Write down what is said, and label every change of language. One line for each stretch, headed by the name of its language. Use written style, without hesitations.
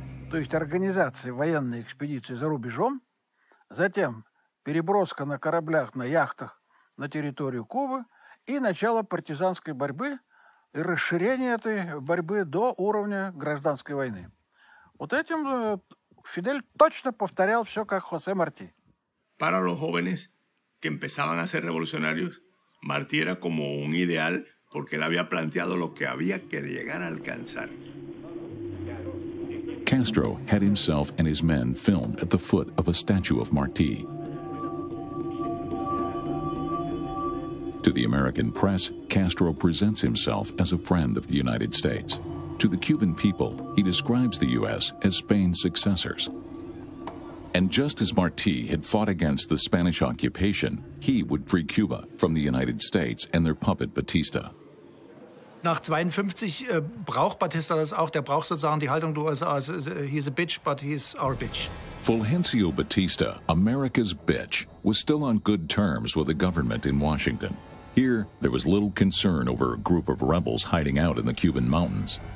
Russian: То есть организация военной экспедиции за рубежом, затем переброска на кораблях, на яхтах на территорию Кубы и начало партизанской борьбы и расширение этой борьбы до уровня гражданской войны. Вот этим Фидель точно повторял все, как Хосе Марти.
Spanish: Para los jóvenes que empezaban a ser revolucionarios, Martí era como un ideal porque él había planteado lo que había que llegar a alcanzar.
English: Castro had himself and his men filmed at the foot of a statue of Martí. To the American press, Castro presents himself as a friend of the United States. To the Cuban people, he describes the U.S. as Spain's successors. And just as Martí had fought against the Spanish occupation, he would free Cuba from the United States and their puppet Batista.
German: Nach 52 braucht Batista das auch. Der braucht sozusagen die Haltung der USA.
English: He's a bitch, but he's our bitch. Fulgencio Batista, America's bitch, was still on good terms with the government in Washington. Here, there was little concern over a group of rebels hiding out in the Cuban mountains.